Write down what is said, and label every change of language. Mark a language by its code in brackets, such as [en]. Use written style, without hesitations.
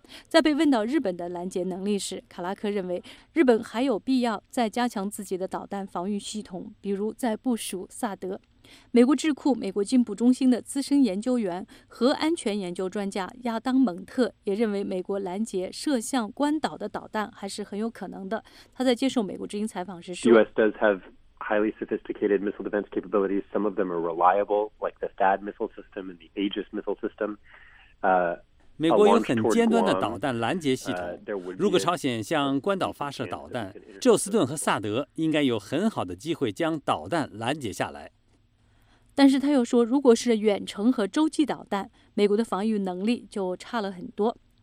[zh] 在被问到日本的拦截能力时，卡拉克认为日本还有必要再加强自己的导弹防御系统，比如在部署萨德。美国智库美国进步中心的资深研究员核安全研究专家亚当蒙特也认为美国拦截射向关岛的导弹还是很有可能的。他在接受美国之音采访时说 [en] US does have highly sophisticated missile defense capabilities. Some of them are reliable, like the THAAD missile system and the Aegis missile system. [zh] 美国有很尖端的导弹拦截系统，如果朝鲜向关岛发射导弹，宙斯顿和萨德应该有很好的机会将导弹拦截下来。但是他又说，如果是远程和洲际导弹，美国的防御能力就差了很多。